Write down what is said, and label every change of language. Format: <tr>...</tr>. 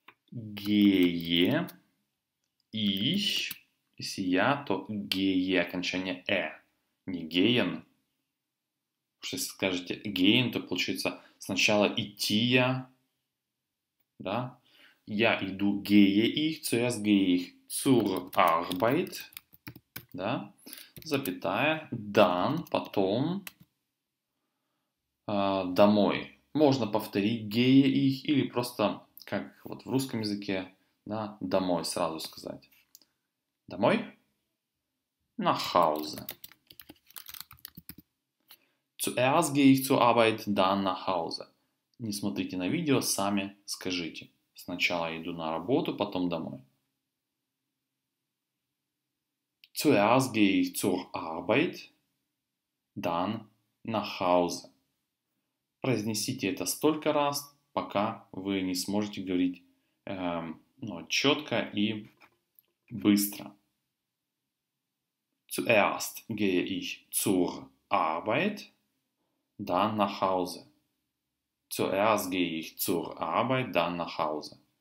<ru>Gehe, ich, если я, то gehe, окончание e, не gehen. Что если скажете gehen, то получится сначала идти я, да? Я иду</ru> <de>gehe ich, zuerst gehe ich zur Arbeit,</de> <ru>да? Запятая,</ru> <de>dann,</de> <ru>потом, домой. Можно повторить</ru> <de>гея их</de> <ru>или просто, как вот в русском языке, да, домой сразу сказать. Домой.</ru> <de>На хаузе. Zuerst gehe ich zur Arbeit, dann nach Hause.</de> <ru>Не смотрите на видео, сами скажите. Сначала иду на работу, потом домой.</ru> <de>Zuerst gehe ich zur Arbeit, dann nach Hause.</de> <ru>Произнесите это столько раз, пока вы не сможете говорить ну, четко и быстро.</ru> <de>Zuerst gehe ich zur Arbeit, dann nach Hause. Zuerst gehe ich zur Arbeit, dann nach Hause.</de>